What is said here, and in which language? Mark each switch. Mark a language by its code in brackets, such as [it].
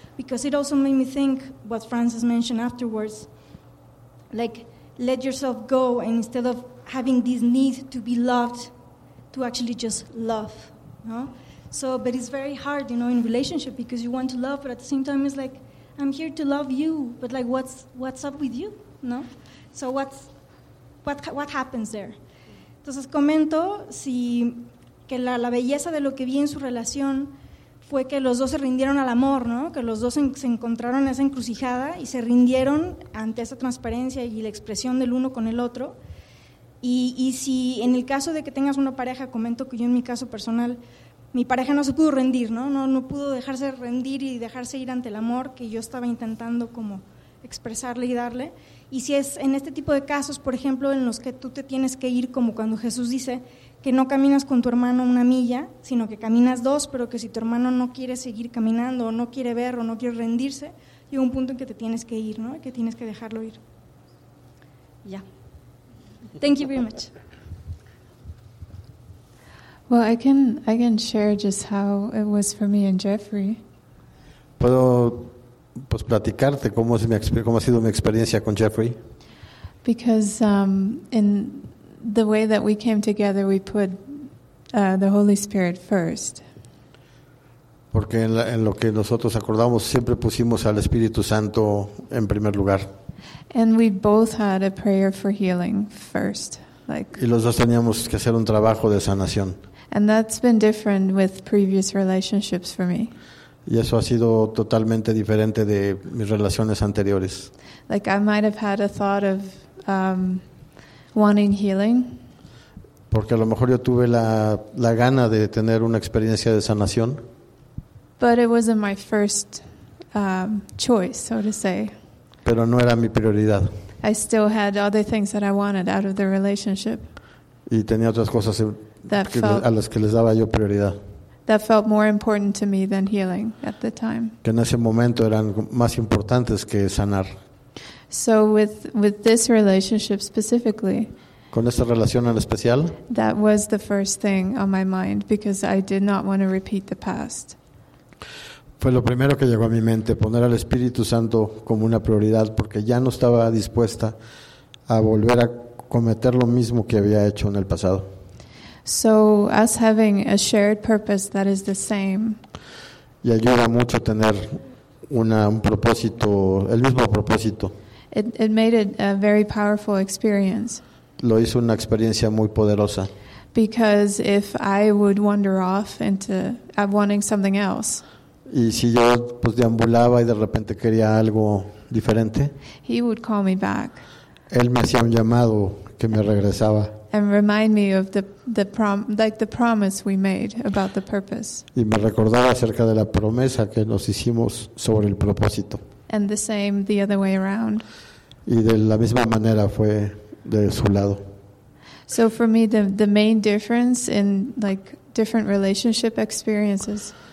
[en] Because it also made me think what Francis mentioned afterwards, like let yourself go and instead of having this need to be loved, to actually just love, no? So, but it's very hard, you know, in relationship because you want to love, but at the same time it's like, I'm here to love you, but like what's up with you, no? So what happens there? [es] Entonces comento si que la belleza de lo que vi en su relación fue que los dos se rindieron al amor, ¿no? Que los dos se encontraron en esa encrucijada y se rindieron ante esa transparencia y la expresión del uno con el otro. Y si en el caso de que tengas una pareja, comento que yo en mi caso personal mi pareja no se pudo rendir, ¿no? No pudo dejarse rendir y dejarse ir ante el amor que yo estaba intentando como expresarle y darle. Y si es en este tipo de casos, por ejemplo, en los que tú te tienes que ir, como cuando Jesús dice que no caminas con tu hermano una milla, sino que caminas dos, pero que si tu hermano no quiere seguir caminando o no quiere ver o no quiere rendirse, llega un punto en que te tienes que ir, ¿no? Que tienes que dejarlo ir. Ya. [en] Yeah. Thank you very much. Well, I can share just how it was for me and Jeffrey. [es] Puedo pues platicarte cómo ha sido mi experiencia con Jeffrey. [en] Because in the way that we came together, we put the Holy Spirit first. [es] Porque en lo que nosotros acordamos siempre pusimos al Espíritu Santo en primer lugar. [en] And we both had a prayer for healing first, like. [es] Y los dos teníamos que hacer un trabajo de sanación. [en] And that's been different with previous relationships for me. [es] Y eso ha sido totalmente diferente de mis relaciones anteriores. [en] Like I might have had a thought of wanting healing. [es] Porque a lo mejor yo tuve la gana de tener una experiencia de sanación. [en] But it wasn't my first choice, so to say. [es] Pero no era mi prioridad. [en] I still had other things that I wanted out of the relationship. [es] Y tenía otras cosas a las que les daba yo prioridad. [en] That felt more important to me than healing at the time. [es] Que en ese momento eran más importantes que sanar. [en] So with this relationship specifically. [es] Con esta relación en especial. [en] That was the first thing on my mind because I did not want to repeat the past. [es] Fue lo primero que llegó a mi mente, poner al Espíritu Santo como una prioridad, porque ya no estaba dispuesta a volver a cometer lo mismo que había hecho en el pasado. [en] So, us having a shared purpose that is the same. [es] Y ayuda mucho tener un propósito, el mismo propósito. [en] It made it a very powerful experience. [es] Lo hizo una experiencia muy poderosa. [en] Because if I would wander off into wanting something else. [es] Y si yo pues deambulaba y de repente quería algo diferente. [en] He would call me back. [es] Él me hacía un llamado que me regresaba. [en] And remind me of the promise we made about the purpose. [es] Y me recordaba acerca de la promesa que nos hicimos sobre el propósito. [en] And the same the other way around. [es] Y de la misma manera fue de su lado. [en] So for me the main difference in like different relationship experiences.